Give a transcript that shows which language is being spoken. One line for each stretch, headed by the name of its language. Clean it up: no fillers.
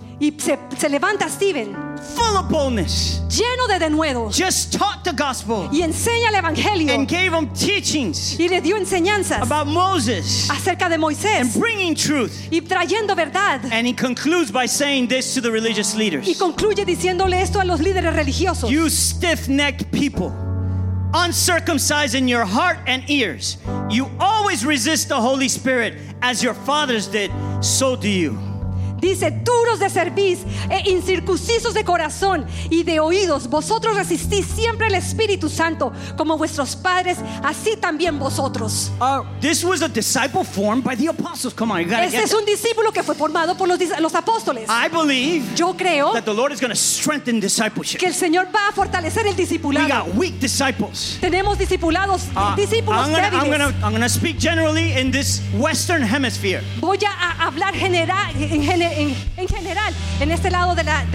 Spanish: Y se levanta Stephen.
English: Full of boldness.
Spanish: Lleno de denuedo.
English: Just taught the gospel.
Spanish: Y enseña el evangelio.
English: And gave him teachings.
Spanish: Y le dio enseñanzas.
English: About Moses.
Spanish: Acerca de Moisés.
English: And bringing truth.
Spanish: Y trayendo verdad.
English: And he concludes by saying this to the religious leaders.
Spanish: Y concluye diciéndole esto a los líderes religiosos.
English: You stiff-necked people. Uncircumcised in your heart and ears. You always resist the Holy Spirit as your fathers did, so do you.
Spanish: Dice, duros de cerviz e incircuncisos de corazón y de oídos, vosotros resistís siempre el Espíritu Santo como vuestros padres, así también vosotros.
English: This was a disciple formed by the apostles. Come on, you gotta get this.
Spanish: Este es un discípulo que fue formado por los apóstoles.
English: I believe.
Spanish: Yo creo.
English: That the Lord is going to strengthen discipleship.
Spanish: Que el Señor va a fortalecer el discipulado.
English: We got weak disciples.
Spanish: Tenemos discipulados, discípulos débiles.
English: I'm gonna speak generally in this Western Hemisphere.
Spanish: Voy a hablar en general, en este lado de